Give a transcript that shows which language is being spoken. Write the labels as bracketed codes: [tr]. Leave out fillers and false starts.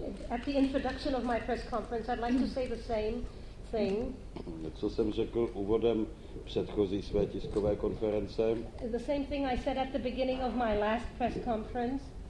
[en] At the introduction of my press conference, I'd like to say the same thing. [cs] Co jsem řekl úvodem předchozí své tiskové konference. [en] The same thing I said at the beginning of my last press conference.